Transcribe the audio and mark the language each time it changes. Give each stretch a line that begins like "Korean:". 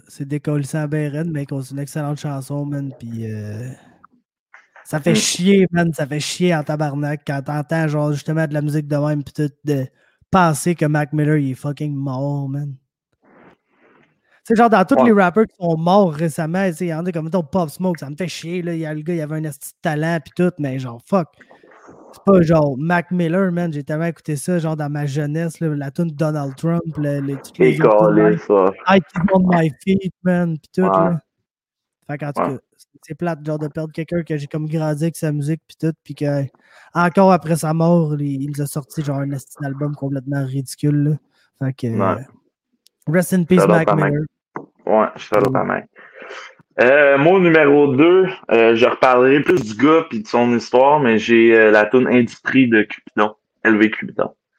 French: C'est décollissant ben raide, mais c'est une excellente chanson, man, pis ça fait chier, man, ça fait chier en tabarnak quand t'entends, genre, justement, de la musique de même, pis tout, de penser que Mac Miller, il est fucking mort, man. sais, genre, dans tous les rappers qui sont morts récemment, il y en a comme mettons Pop Smoke, ça me fait chier, là. Il y a le gars, il y avait un esti de talent, pis tout, mais genre, fuck. C'est pas genre Mac Miller, man, j'ai tellement écouté ça, genre, dans ma jeunesse, là, la tune Donald Trump, le tout. Les gars,
English: I keep on my feet, man,
French: pis tout, là. Fait qu'en tout cas, c'est plate, genre, de perdre quelqu'un que j'ai comme grandi avec sa musique, pis tout, pis que, encore après sa mort, il nous a sorti, genre, un esti d'album complètement ridicule, là.
English: Fait que. Rest in peace, Mac Miller.
French: Ouais, je fais l'autre à main. Mon numéro 2, je reparlerai plus du gars et de son histoire, mais j'ai la toune Industrie de Cupidon, LV Cupidon.